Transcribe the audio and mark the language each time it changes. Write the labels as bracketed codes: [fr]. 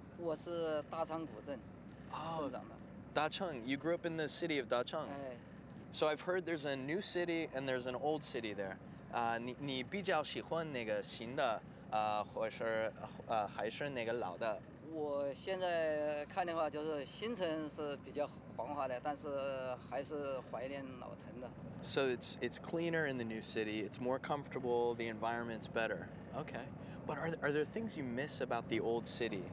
[zh] 我是大昌古镇生长的。大昌, [en] you grew up in the city of Dacheng. So I've heard there's a new city and there's an old city there. [zh] 你比较喜欢那个新的或是还是那个老的？我现在看的话就是新城是比较繁华的，但是还是怀念老城的。 [en] So it's cleaner in the new city, it's more comfortable, the environment's better. Okay. But are there things you miss about the old city?